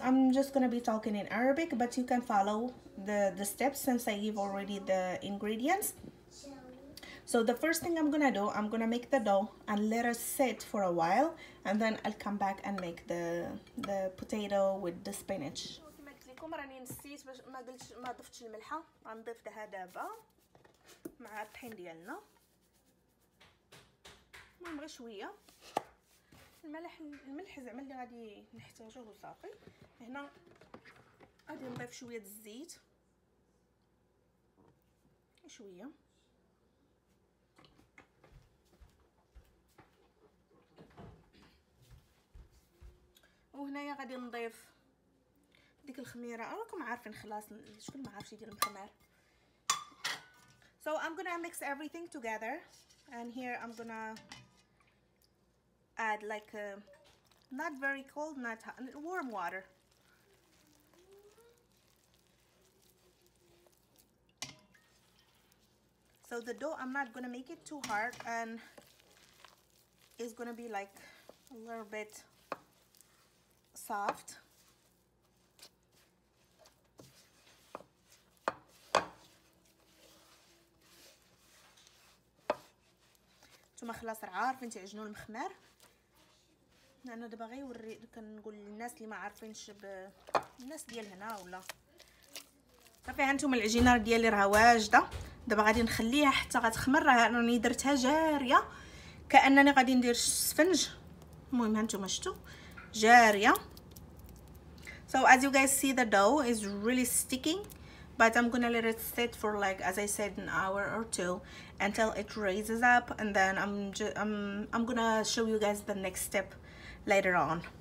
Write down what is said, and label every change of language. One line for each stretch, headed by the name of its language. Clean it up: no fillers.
English: I'm just gonna be talking in Arabic, but you can follow the steps since I give already the ingredients. So the first thing I'm gonna do, I'm gonna make the dough and let it sit for a while. And then I'll come back and make the potato with the spinach.
Arabic: راني نسيت باش ما قلتش ما ضفتش الملحه، غنضيفها دابا مع الطحين ديالنا. المهم غير شويه الملح، زعما اللي غادي نحتاجه وصافي. هنا غادي نضيف شويه الزيت، شويه وهنايا غادي نضيف ديك الخميره، راكم عارفين خلاص شكون ما عارفش يدير الخمار.
English: So I'm gonna mix everything together, and here I'm gonna add like not very cold, not hot, warm water. So the dough, I'm not gonna make it too hard, and it's gonna be like a little bit soft.
Arabic: ما خلاص عارف انت عجنوا المخمر، انا دابا غيوري كنقول للناس اللي ما عارفينش الناس ديال هنا ولا صافي. ها انتم العجينه ديالي راه واجده، دابا غادي نخليها حتى غتخمر، راه انا درتها جاريه كانني غادي ندير سفنج. المهم ها انتم شفتوا جاريه.
English: So as you guys see, the dough is really sticking, but I'm gonna let it sit for like, as I said, an hour or two until it raises up, and then I'm gonna show you guys the next step later on.